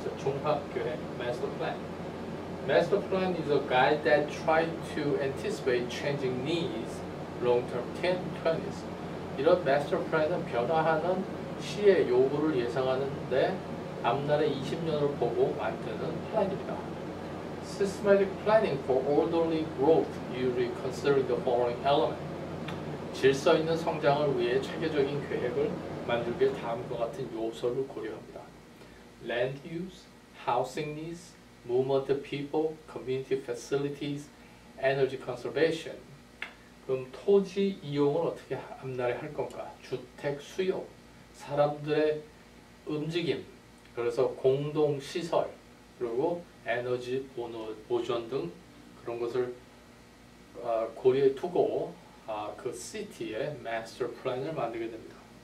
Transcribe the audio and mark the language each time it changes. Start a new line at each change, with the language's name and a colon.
Korean: 그래서 종합 계획
English: master plan. Master plan is a guide that tries to anticipate changing needs long-term 10-20s.
Korean: 이런 master plan은 변화하는 시의 요구를 예상하는데. 앞날의 20년을 보고 만드는 플랜입니다.
English: Systematic planning for orderly growth usually considers the following element.
Korean: 질서 있는 성장을 위해 체계적인 계획을 만들기에 다음과 같은 요소를 고려합니다.
English: Land use, housing needs, movement of people, community facilities, energy conservation.
Korean: 그럼 토지 이용을 어떻게 앞날에 할 건가? 주택 수요, 사람들의 움직임, 그래서 공동시설, 그리고 에너지 보존 등 그런 것을 고려해 두고 그 시티의 마스터 플랜을 만들게 됩니다.